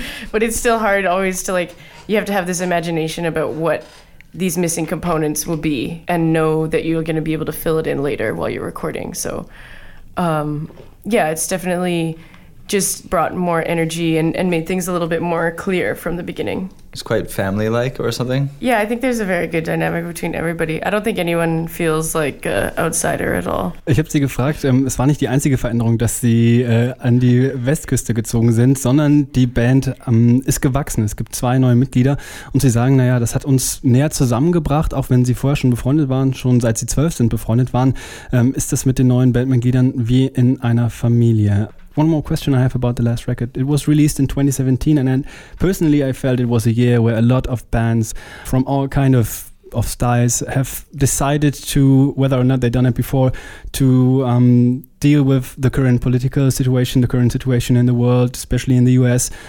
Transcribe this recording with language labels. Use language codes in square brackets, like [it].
[en] But it's still hard always to, like, you have to have this imagination about what these missing components will be and know that you're going to be able to fill it in later while you're recording. So, yeah, it's definitely just brought more energy and made things a little bit more clear from the beginning. It's quite family-like or something? Yeah, I think there's a very good dynamic between everybody. I don't think anyone feels like an outsider at all. [de] Ich habe sie gefragt, es war nicht die einzige Veränderung, dass sie an die Westküste gezogen sind, sondern die Band ist gewachsen. Es gibt zwei neue Mitglieder und sie sagen, naja, das hat uns näher zusammengebracht, auch wenn sie vorher schon befreundet waren, schon seit sie 12 sind befreundet waren, ist das mit den neuen Bandmitgliedern wie in einer Familie. [en] One more question I have about the last record. It was released in 2017, and then personally I felt it was a year where a lot of bands from all kind of styles have decided to, whether or not they've done it before, to deal with the current political situation, the current situation in the world, especially in the US.